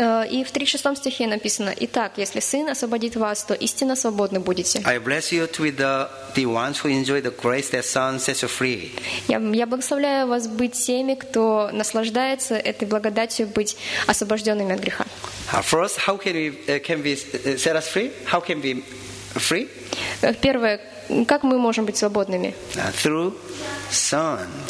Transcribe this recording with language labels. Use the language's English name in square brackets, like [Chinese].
[Russian] И в 36 стихе написано: Итак, если Сын освободит вас, то истинно свободны будете. [English] I bless you to be the ones who enjoy the grace that Son sets you free. [Russian] Я благословляю вас быть теми, кто наслаждается этой благодатью быть освобожденными от греха. [English] First, how can we set us free? How can we free? [Russian] Первое, как мы можем быть свободными? [English] Through Son.